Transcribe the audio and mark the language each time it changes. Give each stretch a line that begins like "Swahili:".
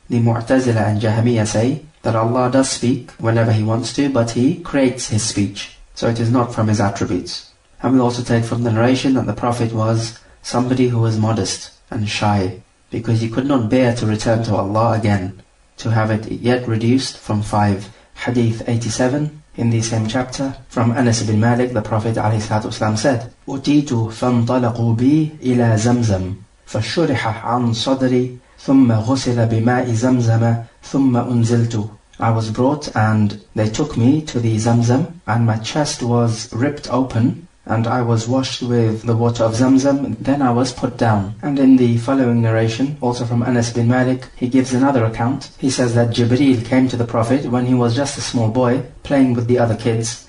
English: The Mu'tazila and Jahmiya say that Allah does speak whenever He wants to, but He creates His speech, so it is not from His attributes. And we also take from the narration that the Prophet was somebody who was modest and shy, because he could not bear to return to Allah again, to have it yet reduced from 5. Hadith 87, in the same chapter, from Anas ibn Malik, the Prophet ﷺ said,
Arabic: أُتِيتُ فَانْطَلَقُوا بِي إِلَى زَمْزَمْ فَشُرِحَ عَنْ صَدْرِي ثُمَّ غُسِلَ بِمَاءِ زَمْزَمَ ثُمَّ أُنزِلْتُ.
English: I was brought and they took me to the Zamzam, and my chest was ripped open, and I was washed with the water of Zamzam, then I was put down. And in the following narration, also from Anas bin Malik, he gives another account. He says that Jibreel came to the Prophet when he was just a small boy, playing with the other kids.